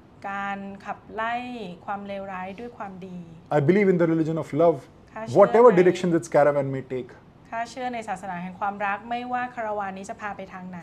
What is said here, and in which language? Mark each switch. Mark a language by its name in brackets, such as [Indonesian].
[Thai] การขับไล่ความเลวร้ายด้วยความดี [English] I believe in the religion of love. Whatever directions its caravan may take. [Thai] ข้าเชื่อในศาสนาแห่งความรักไม่ว่าคาราวานนี้จะพาไปทางไหน